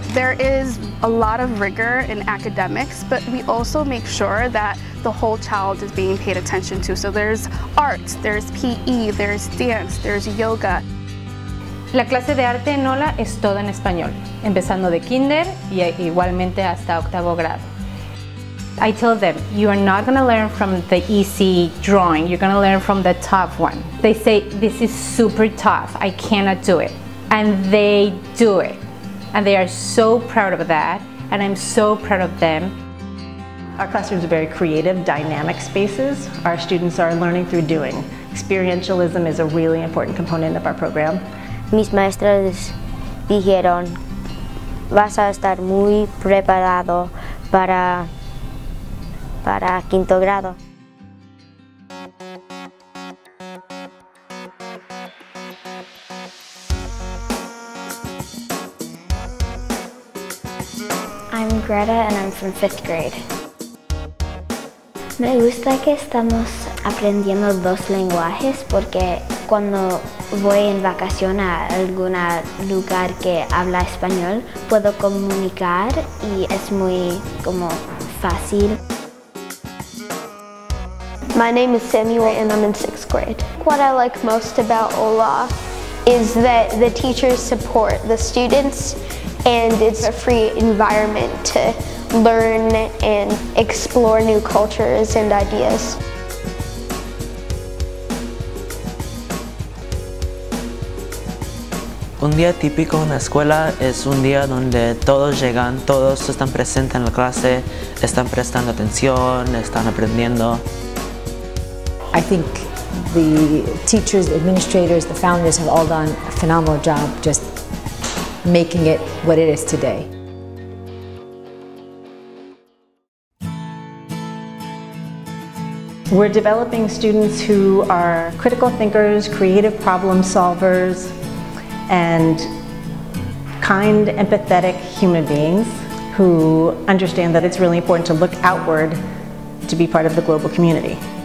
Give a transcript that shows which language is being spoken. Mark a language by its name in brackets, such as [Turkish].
[English] There is a lot of rigor in academics, but we also make sure that the whole child is being paid attention to. So there's art, there's PE, there's dance, there's yoga. [Spanish] La clase de arte en HoLa es toda en español, empezando de kinder y igualmente hasta octavo grado. [English] I tell them, you are not going to learn from the easy drawing, you're going to learn from the tough one. They say, this is super tough, I cannot do it. And they do it. And they are so proud of that, and I'm so proud of them. Our classrooms are very creative, dynamic spaces. Our students are learning through doing. Experientialism is a really important component of our program. [Spanish] Mis maestros dijeron, vas a estar muy preparado para quinto grado. [English] I'm Greta and I'm from fifth grade. [Spanish] Me gusta que estamos aprendiendo dos lenguajes porque cuando voy en vacación a algún lugar que habla español, puedo comunicar y es muy como fácil. [English] My name is Samuel and I'm in sixth grade. What I like most about HoLa is that the teachers support the students and it's a free environment to learn and explore new cultures and ideas. [Spanish] Un día típico en la escuela es un día donde todos llegan, todos están presentes en la clase, están prestando atención, están aprendiendo. [English] I think the teachers, the administrators, the founders have all done a phenomenal job just making it what it is today. We're developing students who are critical thinkers, creative problem solvers, and kind, empathetic human beings who understand that it's really important to look outward to be part of the global community.